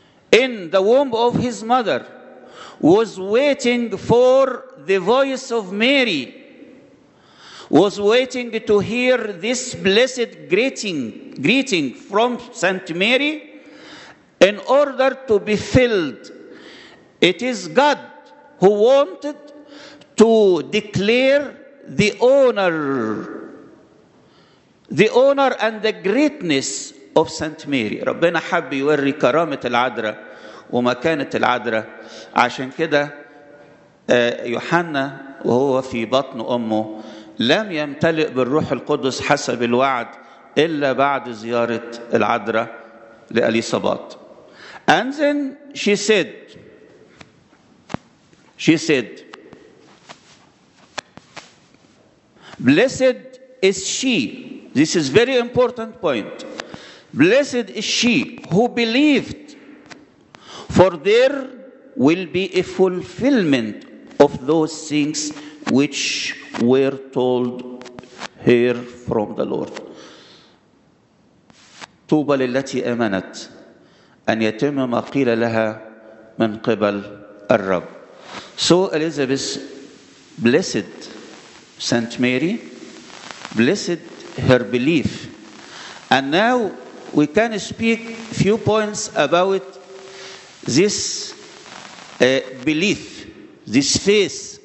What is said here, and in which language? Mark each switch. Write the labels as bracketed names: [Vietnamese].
[English] in the womb of his mother, was waiting for the voice of Mary, was waiting to hear this blessed greeting from Saint Mary in order to be filled. It is God who wanted to declare the honor and the greatness of Saint Mary. [Arabic] ربنا حب يوري كرامة العذراء ومكانة العذراء، عشان كده يوحنا وهو في بطن أمه لم يمتلئ بالروح القدس حسب الوعد إلا بعد زيارة العذراء لأليصابات. [English] And then she said, blessed is she, this is very important point, blessed is she who believed, for there will be a fulfillment of those things which were told her from the Lord. [Arabic] طوبى للتي آمنت أن يتم ما قيل لها من قبل الرب. [English] So Elizabeth blessed, Saint Mary blessed her belief. And now we can speak a few points about this belief, this faith.